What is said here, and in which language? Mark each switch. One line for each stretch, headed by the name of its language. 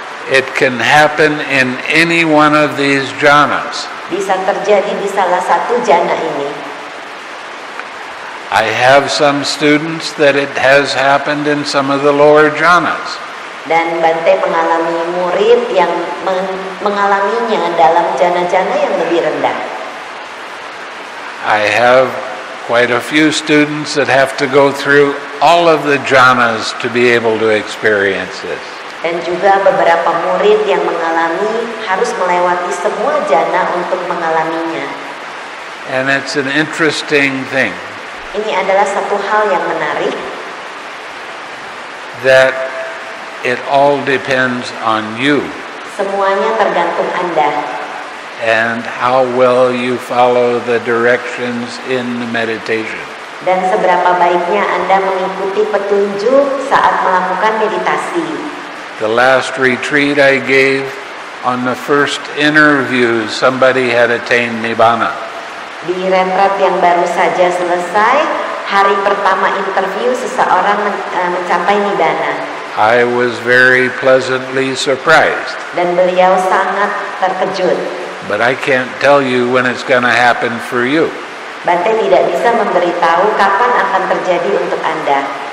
English: It can happen in any one of these jhanas.
Indonesian: Bisa terjadi di salah satu jhana ini.
English: I have some students that it has happened in some of the lower jhanas.
Indonesian: Dan Bhante mengalami murid yang mengalaminya dalam jhana-jhana yang lebih rendah.
English: I have quite a few students that have to go through all of the jhanas to be able to experience this.
Indonesian: Dan juga beberapa murid yang mengalami harus melewati semua jhana untuk mengalaminya.
English: And it's an interesting thing.
Indonesian: Ini adalah satu hal yang menarik.
English: That it all depends on you.
Indonesian: Semuanya tergantung Anda.
English: And how well you follow the directions in the meditation.
Indonesian: Dan seberapa baiknya Anda mengikuti petunjuk saat melakukan meditasi.
English: The last retreat I gave, on the first interview, somebody had attained Nibbana.
Indonesian: Di retret yang baru saja selesai, hari pertama interview seseorang mencapai Nibbana.
English: I was very pleasantly surprised.
Indonesian: Dan beliau sangat terkejut.
English: But I can't tell you when it's going to happen for you.
Indonesian: Bhante tidak bisa memberitahu kapan akan terjadi untuk Anda.